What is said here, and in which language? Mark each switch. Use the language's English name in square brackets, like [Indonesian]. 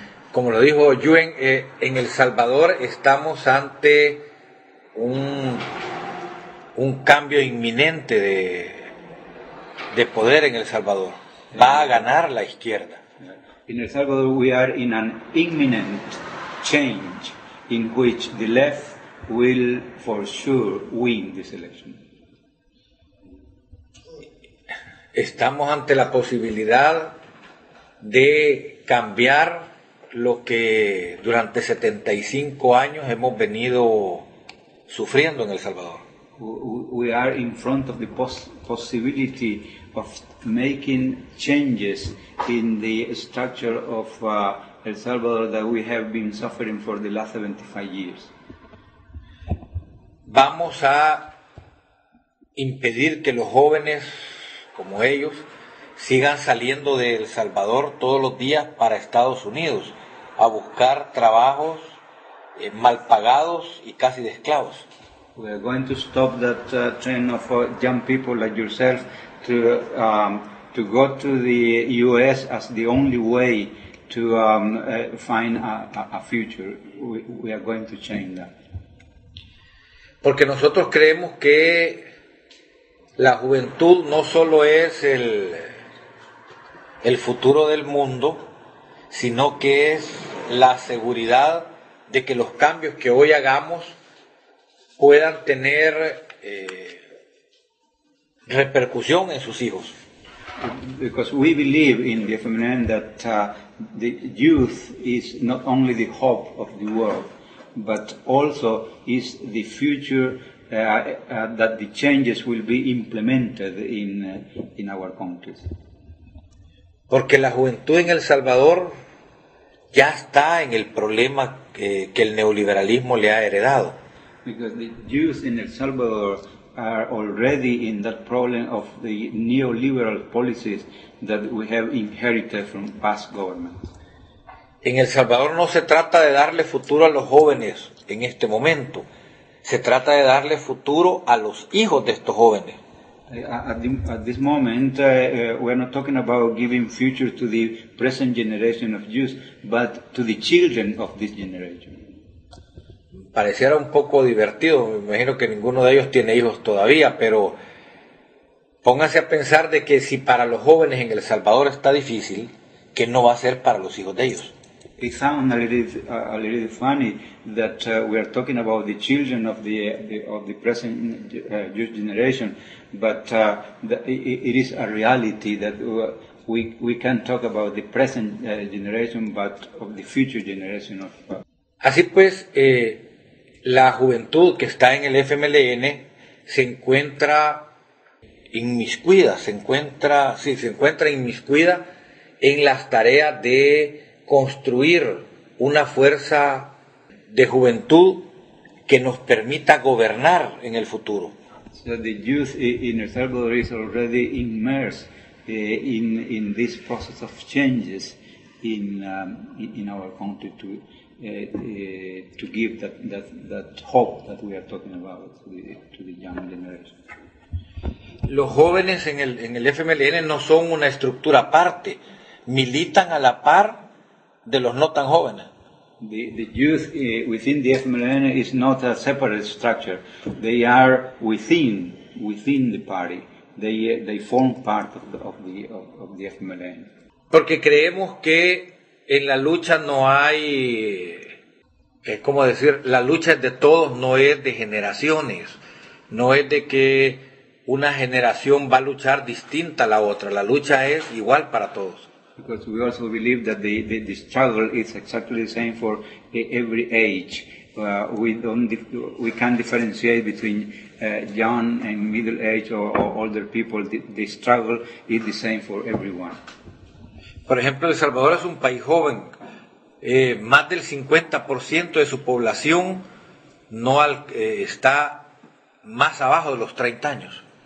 [Spanish] Como lo dijo Yuen, en El Salvador estamos ante un cambio inminente de poder en El Salvador. Va a ganar la izquierda. [English] In El Salvador we are in an imminent change in which the left will for sure win this election. [Spanish] Estamos ante la posibilidad de cambiar lo que durante 75 años hemos venido sufriendo en El Salvador. [English] We are in front of the possibility of making changes in the structure of El Salvador that we have been suffering for the last 75 years. [Spanish] Vamos a impedir que los jóvenes como ellos sigan saliendo de El Salvador todos los días para Estados Unidos a buscar trabajos mal pagados y casi de esclavos. [English] We are going to stop that trend of young people like yourself to go to the U.S. as the only way to find a future. We are going to change that. [Spanish] Porque nosotros creemos que La juventud no solo es el futuro del mundo, sino que es la seguridad de que los cambios que hoy hagamos puedan tener repercusión en sus hijos. [English] Because we believe in the FMLN that the youth is not only the hope of the world, but also is the future that the changes will be implemented in our countries. [Spanish] Porque la juventud en El Salvador ya está en el problema que el neoliberalismo le ha heredado. [English] Because the youth in El Salvador are already in that problem of the neoliberal policies that we have inherited from past governments. [Spanish] En El Salvador no se trata de darle futuro a los jóvenes en este momento. Se trata de darle futuro a los hijos de estos jóvenes. [English] At this moment, we are not talking about giving future to the present generation of youth, but to the children of this generation. [Spanish] Pareciera un poco divertido, me imagino que ninguno de ellos tiene hijos todavía, pero póngase a pensar de que si para los jóvenes en El Salvador está difícil, ¿qué no va a ser para los hijos de ellos? [English] It sounds a little funny that we are talking about the children of the present youth generation, but it is a reality that we can talk about the present generation, but of the future generation of. [Spanish] Así pues, la juventud que está en el FMLN se encuentra inmiscuida, se encuentra inmiscuida en las tareas de construir una fuerza de juventud que nos permita gobernar en el futuro. [English] So the youth in El Salvador is already immersed in this process of changes in our country to give that hope that we are talking about to the young generation. [Spanish] Los jóvenes en el FMLN no son una estructura aparte, militan a la par de los no tan jóvenes. [English] The youth within the FMLN is not a separate structure. They are within the party. They form part of the FMLN. [Spanish] Porque creemos que en la lucha no hay, ¿cómo decir? La lucha es de todos, no es de generaciones. No es de que una generación va a luchar distinta a la otra. La lucha es igual para todos. [English] Because we also believe that the struggle is exactly the same for every age. We can't differentiate between young and middle age or older people. The struggle is the same for everyone. [Spanish] Por ejemplo, El Salvador es un país joven. Más del 50% de su población está más abajo de los 30 años.